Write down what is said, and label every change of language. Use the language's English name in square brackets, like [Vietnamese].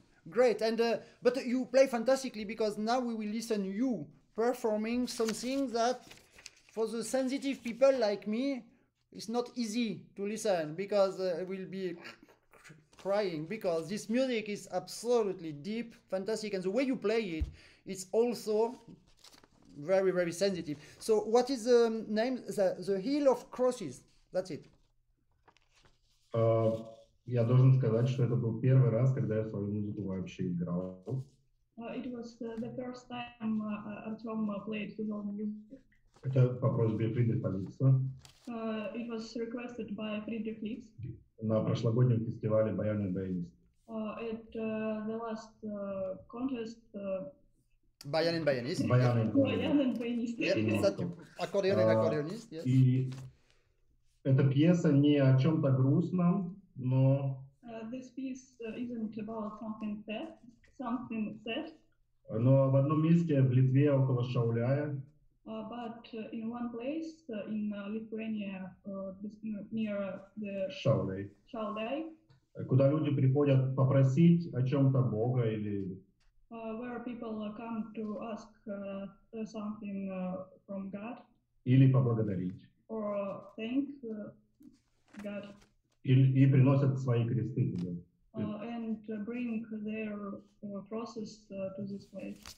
[English] Great, and but you play fantastically, because now we will listen to you performing something that for the sensitive people like me, it's not easy to listen, because I will be crying, because this music is absolutely deep, fantastic, and the way you play it, it's also very, very sensitive. So what is the name? The Hill of Crosses, that's it. [Russian] Я должен сказать, что это был первый раз, когда я свою музыку вообще играл. [English] It was the first time Artem played his own music. [Russian] Это по просьбе Фридриха Ликса. [English] It was requested by Friedrich Licks. [Russian] На прошлогоднем фестивале Баянный баянист. [English] At the last contest. [Russian] Баянный баянист. Баянный баянист. Аккордеонист. И эта пьеса не о чем-то грустном, но. [English] This piece isn't about something sad. Something sad. [Russian] Но в одном месте в Литве около Шауляя. [English] But in one place in Lithuania, near the [Russian] Шауляй. Куда люди приходят попросить о чем-то Бога или. [English] Where people come to ask something from God. [Russian] Или поблагодарить. [English] Or thank. God. [Russian] И приносят свои кресты. [English] And bring their crosses to this place.